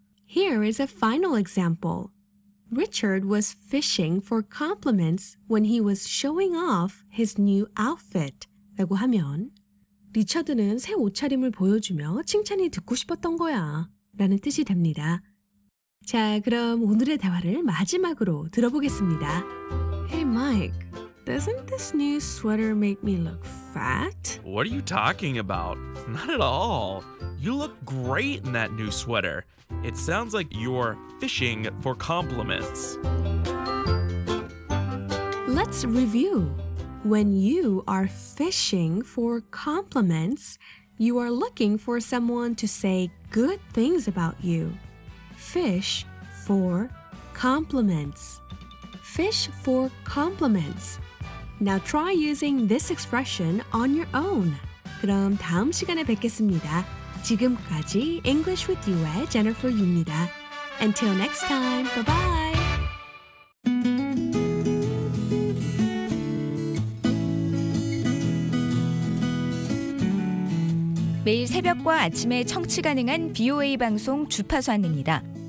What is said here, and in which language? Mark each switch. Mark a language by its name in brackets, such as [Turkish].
[English] Here is a final example. Richard was fishing for compliments when he was showing off his new outfit. [Korean] 라고 하면, 리처드는 새 옷차림을 보여주며 칭찬이 듣고 싶었던 거야. 라는 뜻이 됩니다. 자, 그럼 오늘의 대화를 마지막으로 들어보겠습니다. [English] Hey, Mike, doesn't this new sweater make me look fat? What are you talking about? Not at all. You look great in that new sweater. It sounds like you're fishing for compliments. Let's review. When you are fishing for compliments, you are looking for someone to say good things about you. Fish for compliments. Fish for compliments. Now try using this expression on your own. [Korean] 그럼 다음 시간에 뵙겠습니다. 지금까지 English with You의 Jennifer Yu입니다. [English] Until next time, bye-bye. Every morning and evening, you can listen to BOA 방송 주파수 안내입니다.